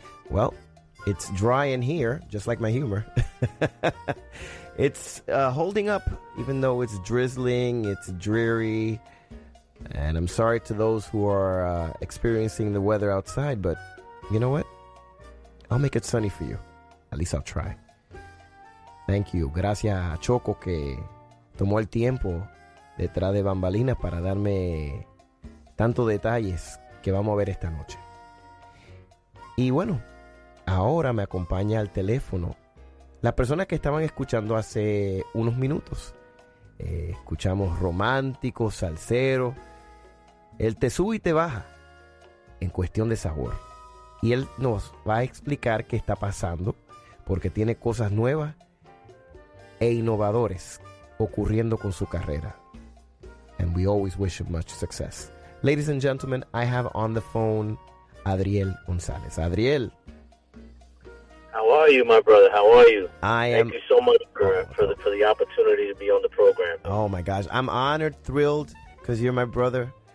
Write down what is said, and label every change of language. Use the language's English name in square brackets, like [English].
[English] Well, it's dry in here, just like my humor. It's holding up, even though it's drizzling, it's dreary. And I'm sorry to those who are experiencing the weather outside, but you know what? I'll make it sunny for you. At least I'll try. Thank you. [Spanish] Gracias a Choco que tomó el tiempo detrás de bambalinas para darme tantos detalles que vamos a ver esta noche. Y bueno, ahora me acompaña al teléfono la persona que estaban escuchando hace unos minutos. Escuchamos romántico, salsero. Él te sube y te baja en cuestión de sabor. Y él nos va a explicar qué está pasando, porque tiene cosas nuevas e innovadores ocurriendo con su carrera. [English] And we always wish him much success. Ladies and gentlemen, I have on the phone Adriel Gonzalez. Adriel. How are you, my brother? How are you? Thank you so much for the opportunity to be on the program. Oh, my gosh. I'm honored, thrilled, because you're my brother.